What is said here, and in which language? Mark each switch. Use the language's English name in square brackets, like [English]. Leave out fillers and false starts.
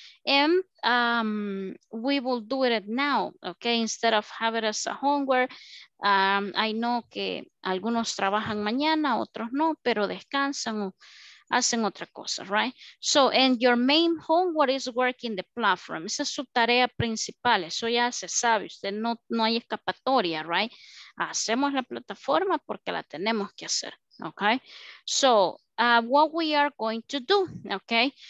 [English] And we will do it now, okay? Instead of have it as a homework. I know [Spanish] que algunos trabajan mañana, otros no, pero descansan o hacen otra cosa, right? [English] So, and your main homework is working the platform. [Spanish] Esa es su tarea principal. Eso ya se sabe. Usted no hay escapatoria, right? Hacemos la plataforma porque la tenemos que hacer, okay? [English] So, what we are going to do, okay?